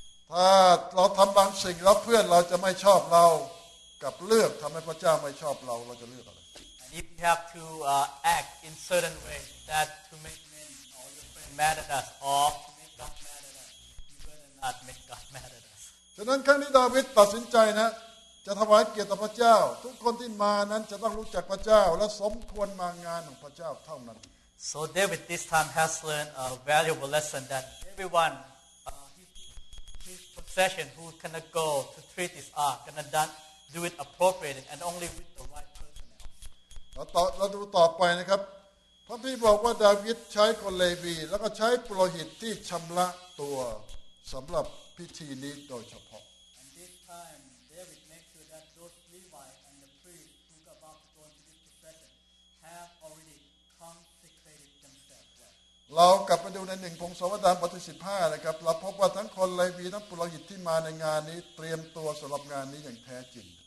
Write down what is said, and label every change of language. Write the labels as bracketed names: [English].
[Thai] ถ้าเราทำบางสิ่งแล้วเพื่อนเราจะไม่ชอบเรากับเลือกทำให้พระเจ้าไม่ชอบเราเราจะเลือกอะไร [English] And if you have to act in certain ways that to make men or your friends mad at us or to make God mad at us you better not make God mad at us [Thai] ฉะนั้นครั้งนี้ดาวิดตัดสินใจนะจะถวายเกียรติพระเจ้าทุกคนที่มานั้นจะต้องรู้จักพระเจ้าและสมควรมางานของพระเจ้าเท่านั้น [English] So David this time has learned a valuable lesson that everyoneHis possession who is gonna go to treat his ark gonna doneDo it appropriately and only with the right personnel. [Thai] เราดูต่อไปนะครับพระพี่บอกว่าดาวิดใช้คนเลวีแล้วก็ใช้ปุโรหิตที่ชำระตัวสำหรับพิธีนี้โดยเฉพาะ [English] And this time David makes sure that those Levites and the priests who are about to go into this procession have already consecrated themselves. [Thai] เรากลับไปดูในหนึ่งพงศาวดารบทที่15นะครับเราพบว่าทั้งคนเลวีทั้งปุโรหิตที่มาในงานนี้เตรียมตัวสำหรับงานนี้อย่างแท้จริง